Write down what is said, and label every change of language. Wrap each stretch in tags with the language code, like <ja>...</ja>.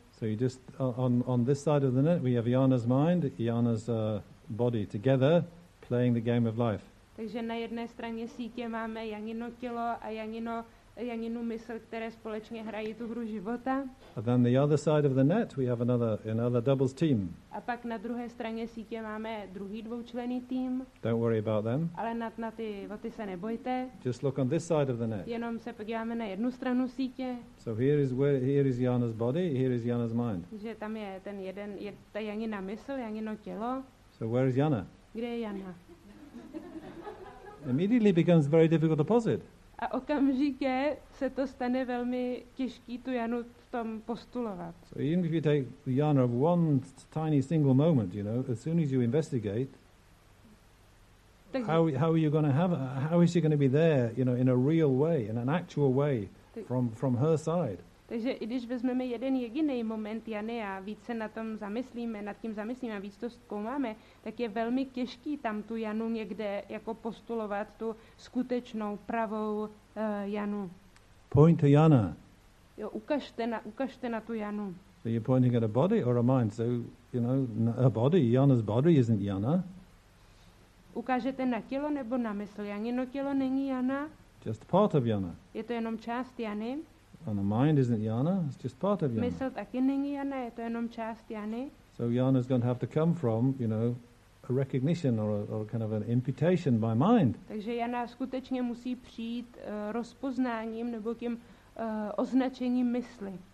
<en>So you just on this side of the net we have Jana's mind, Jana's body together playing the game of life.</en> <cs>Takže na jedné straně sítě máme Janino tělo a Janinu mysl, které společně hrají tu hru života.</cs> <en>And then the other side of the net we have another doubles team.</en> <cs>A pak na druhé straně sítě máme druhý dvoučlenný tým.</cs> <en>Don't worry about them.</en> <cs>Ale na ty se nebojte.</cs> <en>Just look on this side of the net.</en> <cs>Jenom se podíváme na jednu stranu sítě.</cs> <en>So here is Jana's body, here is Jana's mind.</en> <cs>Že tam je ten jeden, je ta Janina mysl, Janino tělo.</cs> <en>So where is Jana?</en> <cs>Kde je Jana?</cs> <en>Immediately becomes very difficult to posit.</en> <cs>A okamžitě se to stane velmi těžký tu Janu v tom postulovat.</cs> <en>So even if you take the Jana of one tiny single moment, you know, as soon as you investigate,</en> <cs>takže,</cs> <en>how are you going to have her? How is she going to be there, you know, in a real way, in an actual way, from her side?</en> <cs>Takže i když vezmeme jeden jediný moment Jany a víc se nad tím zamyslíme a víc to zkoumáme, tak je velmi těžký tam tu Janu někde jako postulovat tu skutečnou, pravou Janu.</cs> <en>Point to Jana.</en> <cs>Jo, ukažte na tu Janu.</cs> <en>So you're pointing at a body or a mind? So, you know, a body, Jana's body isn't Jana.</en> <cs>Ukážete na tělo nebo na mysl? Janino tělo není Jana.</cs> <en>Just part of Jana.</en> <cs>Je to jenom část Jany.</cs> <en>And the mind isn't Jana, it's just part of Jana.</en> <cs>Mysl taky není Jana, je to jenom část Jany.</cs> <en>So Jana's going to have to come from, you know, a recognition or kind of an imputation by mind.</en> <cs>Takže Jana skutečně musí přijít rozpoznáním nebo tím označením mysli.</cs>